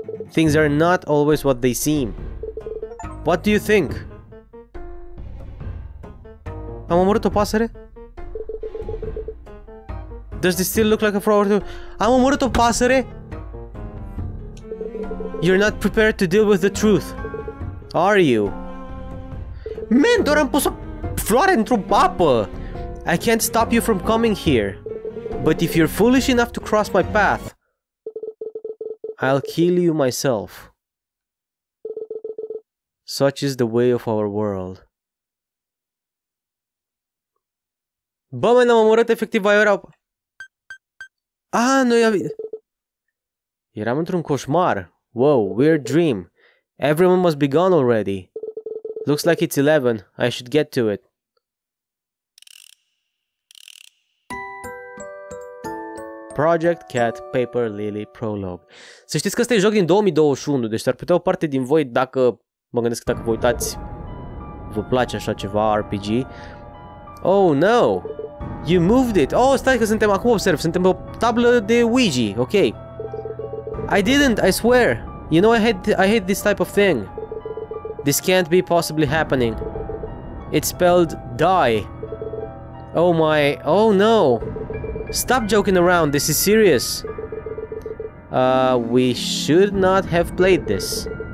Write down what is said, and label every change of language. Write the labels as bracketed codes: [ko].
[en] Things are not always what they seem. What do you think? [ro] Am omorât o pasăre? [en] Does this still look like a flower to... [ro] Am omorât o pasăre? [en] You're not prepared to deal with the truth, are you? [ro] Man, doar am pus o floare într-o apă! [en] I can't stop you from coming here, but if you're foolish enough to cross my path, I'll kill you myself. Such is the way of our world. [ro] Bă, mă, n-am omorât efectiv aiurea. Ah, noi avem... Eram într-un coșmar. [en] Wow, weird dream. Everyone must be gone already. Looks like it's 11. I should get to it. Project Cat Paper Lily Prologue. [ro] Să știți că ăsta e joc din 2021, deci ar putea o parte din voi, dacă mă gândesc, dacă vă uitați, vă place așa ceva RPG. [en] Oh no. You moved it. [ro] Oh, stai că suntem acum, observ, suntem pe o tablă de Ouija. [en] Ok. I didn't, I swear. You know I hate this type of thing. This can't be possibly happening. It's spelled die. Oh my. Oh no. Stop joking around, this is serious. We should not have played this.